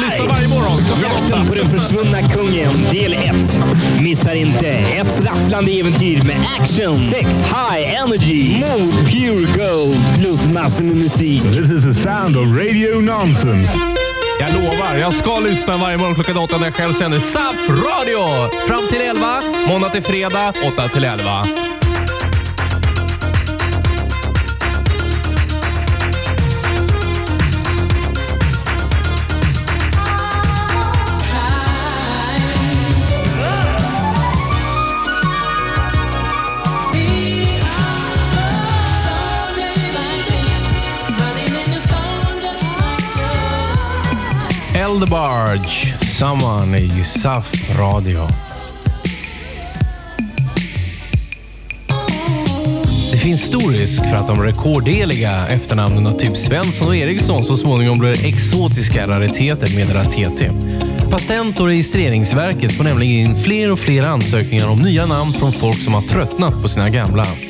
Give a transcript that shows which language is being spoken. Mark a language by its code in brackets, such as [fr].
[sv] Jag lyssnar varje morgon. Jakten på den försvunna kungen, del 1. Missar inte ett rafflande äventyr med action, sex, [en] high energy, [sv] mode, [en] pure gold, [sv] plus massor med musik. [en] This is the sound of radio nonsense. [sv] Jag lovar, jag ska lyssna varje morgon klockan 8 när jag själv sänder SAF Radio. Fram till 11, måndag till fredag, 8-11. [en] The Barge, someone in SAF Radio. [sv] Det finns stor risk för att de rekorddeliga efternamnen av typ Svensson och Eriksson så småningom blir exotiska rariteter, meddelar TT. Patent- och registreringsverket får nämligen in fler och fler ansökningar om nya namn från folk som har tröttnat på sina gamla.